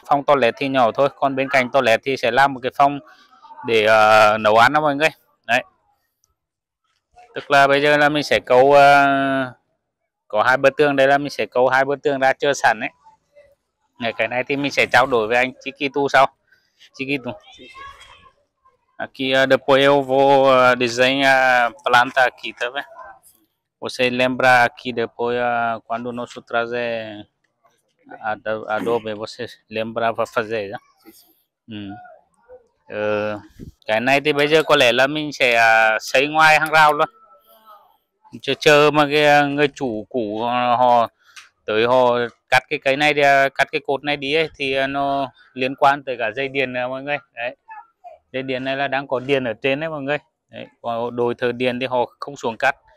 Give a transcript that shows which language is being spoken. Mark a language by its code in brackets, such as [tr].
[vi] Phòng toilet thì nhỏ thôi, còn bên cạnh toilet thì sẽ làm một cái phòng để nấu ăn đó mọi người. Đấy, tức là bây giờ là mình sẽ cấu có hai bức tường đây, là mình sẽ cấu hai bức tường ra chưa sẵn đấy. Ngày cái này thì mình sẽ trao đổi với anh Chí Kỳ Tu sau. [pt] Chí Kỳ Tu aqui depois eu vou desenhar planta aqui, tá vendo? Você lembra aqui depois quando nós trazer Adobe, você lembra pra fazer, né? [vi] Cái này thì bây giờ có lẽ là mình sẽ xây ngoài hàng rào luôn, chờ chờ mà cái người chủ cũ họ tới họ cắt cái cây này đi, cắt cái cột này đi ấy, thì nó liên quan tới cả dây điện này mọi người. Đấy, dây điện này là đang có điện ở trên đấy mọi người. Đấy, còn đồi thờ điện thì họ không xuống cắt.